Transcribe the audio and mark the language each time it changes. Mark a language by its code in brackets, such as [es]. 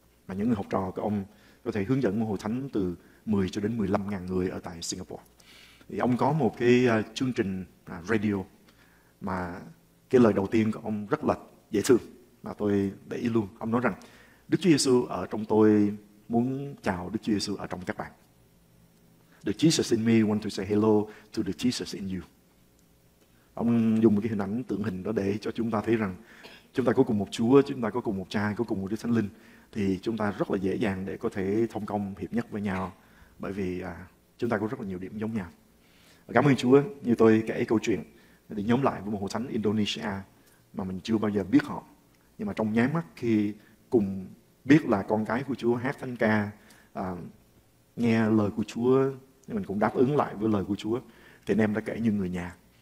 [vi] Mà những người học trò của ông có thể hướng dẫn một hội thánh từ 10 cho đến 15.000 người ở tại Singapore. Thì ông có một cái chương trình radio mà cái lời đầu tiên của ông rất là dễ thương mà tôi để ý luôn. Ông nói rằng Đức Chúa Giêsu ở trong tôi, muốn chào Đức Chúa Giêsu ở trong các bạn. [en] The Jesus in me want to say hello to the Jesus in you. [vi] Ông dùng một cái hình ảnh tượng hình đó để cho chúng ta thấy rằng chúng ta có cùng một Chúa, chúng ta có cùng một Cha, có cùng một Đức Thánh Linh, thì chúng ta rất là dễ dàng để có thể thông công hiệp nhất với nhau, bởi vì chúng ta có rất là nhiều điểm giống nhau. Cảm ơn Chúa, như tôi kể câu chuyện để nhóm lại với một hội thánh Indonesia mà mình chưa bao giờ biết họ, nhưng mà trong nháy mắt khi cùng biết là con cái của Chúa, hát thánh ca, nghe lời của Chúa, mình cũng đáp ứng lại với lời của Chúa, thì anh em đã kể như người nhà.